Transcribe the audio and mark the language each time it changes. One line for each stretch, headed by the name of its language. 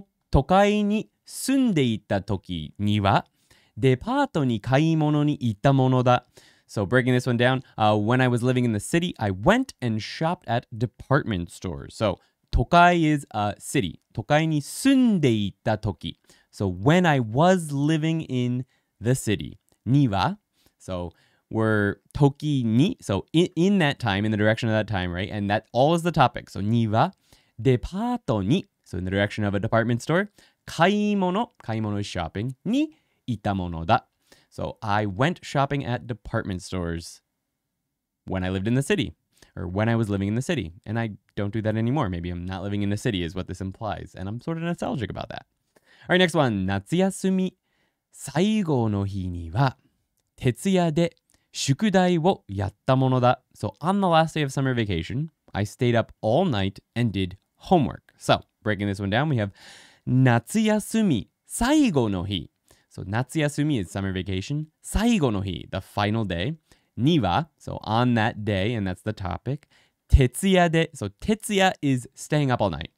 Japanese: 都会に住んでいた時にはデパートに買い物に行ったものだ。
English: So breaking this one down, when I was living in the city, I went and shopped at department stores. So 都会 is a city.
Japanese: 都会に住んでいた時。
English: So when I was living in the city.
Japanese: には。
English: So we're 時に. So in that time, in the direction of that time, right? And that all is the topic. So
Japanese: には。デパートに.
English: So in the direction of a department store. 買い物.買い物 is shopping.
Japanese: に行ったものだ。
English: So I went shopping at department stores when I lived in the city, or when I was living in the city. And I don't do that anymore. Maybe I'm not living in the city is what this implies. And I'm sort of nostalgic about that. All right, next one.
Japanese: 夏休み最後の日には徹夜で宿題をやったものだ。
English: So on the last day of summer vacation, I stayed up all night and did homework. So breaking this one down, we have
Japanese: 夏休み最後の日。
English: So 夏休み is summer vacation.
Japanese: 最後の日,
English: the final day. には, so on that day, and that's the topic.
Japanese: 徹夜で,
English: so 徹夜 is staying up all night.